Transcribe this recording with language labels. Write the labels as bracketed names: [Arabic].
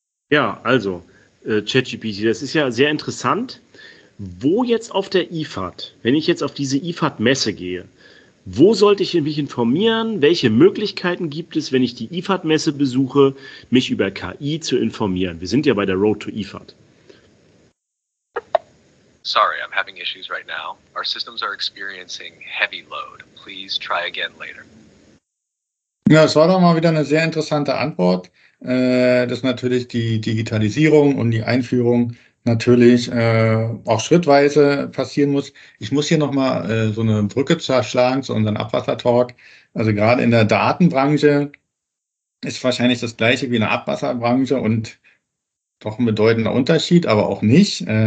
[German] Ja, also ChatGPT, das ist ja sehr interessant. Wo jetzt auf der IFAD, wenn ich jetzt auf diese IFAD-Messe gehe, wo sollte ich mich informieren? Welche Möglichkeiten gibt es, wenn ich die IFAD-Messe besuche, mich über KI zu informieren? Wir sind ja bei der Road to IFAD. [English] Sorry, I'm having issues right now. Our systems are experiencing heavy load. Please try again later. [German] Ja, es war doch mal wieder eine sehr interessante Antwort, dass natürlich die Digitalisierung und die Einführung natürlich auch schrittweise passieren muss. Ich muss hier nochmal so eine Brücke zerschlagen zu unserem Abwassertalk. Also gerade in der Datenbranche ist wahrscheinlich das Gleiche wie in der Abwasserbranche und doch ein bedeutender Unterschied, aber auch nicht.